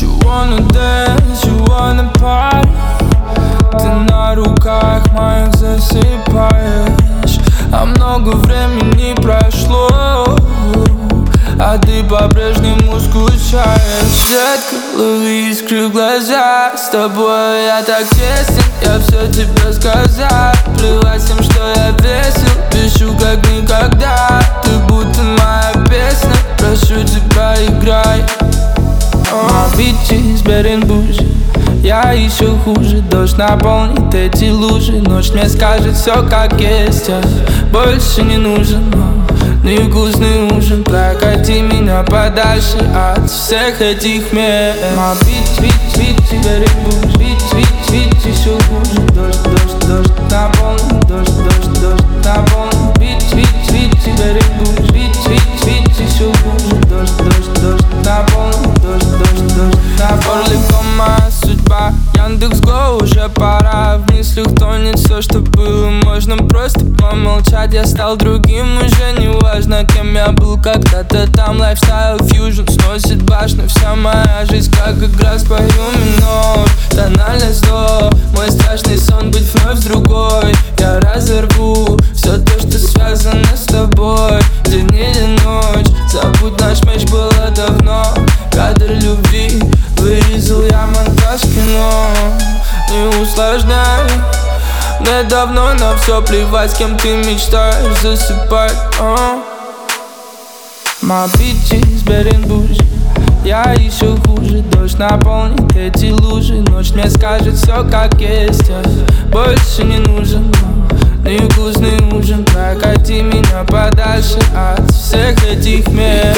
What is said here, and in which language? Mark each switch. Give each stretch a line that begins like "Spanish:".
English: Wanna dance, you wanna party.
Russian: Ты на руках моих засыпаешь. А много времени прошло, а ты по-прежнему скучаешь. Зеркало, искры в глазах. С тобой я так тесен, я все тебе сказал. Плевать всем, что я весел. Пишу как никогда. Ты будто моя песня. Прошу тебя, играй.
English: My bitch is better than bougie.
Russian: Я еще хуже, дождь наполнит эти лужи. Ночь мне скажет все как есть, я больше не нужен. Невкусный ужин, прокати меня подальше от всех этих мест.
English: My bitch is better than bougie.
Russian: Bitch еще хуже, дождь наполнит. Дождь наполнит.
English: Bitch is better than bougie.
Russian: Bitch еще хуже, дождь наполнит. Орликом моя судьба, Яндекс.Го уже пора. В мыслях тонет все, что было, можно просто помолчать. Я стал другим, уже не важно, кем я был когда-то там. Lifestyle Fusion сносит башню, вся моя жизнь как игра. Спою минор, тональность до. Мой страшный сон быть вновь другой. Я разорву все то, что связано с тобой. День или ночь, забудь наш меч, было давно. Кадр любви вырезал я монтаж кино. Не усложняй. Мне давно на все плевать, с кем ты мечтаешь засыпать.
English: My bitch is better than bougie.
Russian: Я еще хуже, дождь наполнит эти лужи. Ночь мне скажет все как есть, я больше не нужен. Невкусный ужин, прокати меня подальше от всех этих мест.